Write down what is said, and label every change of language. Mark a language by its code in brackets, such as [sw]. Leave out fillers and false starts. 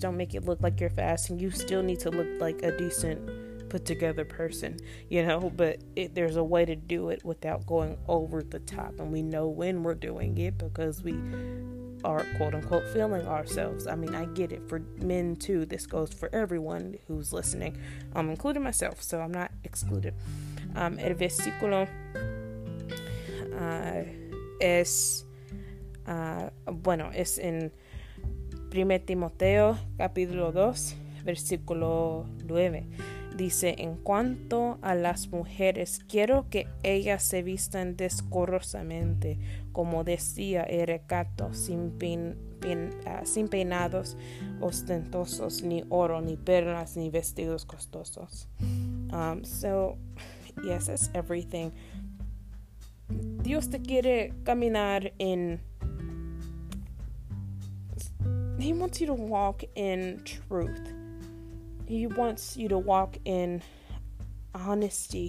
[en] Don't make it look like you're fasting. You still need to look like a decent put together person, you know, but there's a way to do it without going over the top. And we know when we're doing it because we are quote unquote feeling ourselves. I mean, I get it, for men too. This goes for everyone who's listening, including myself. So I'm not excluded. [es] El versículo es en 1 Timoteo capítulo 2 versículo 9. Dice, en cuanto a las mujeres, quiero que ellas se vistan decorosamente, como decía, y recato, sin peinados ostentosos, ni oro, ni perlas, ni vestidos costosos. [en] So, yes, that's everything. [es] Dios te quiere caminar [en] in... He wants you to walk in truth. He wants you to walk in honesty.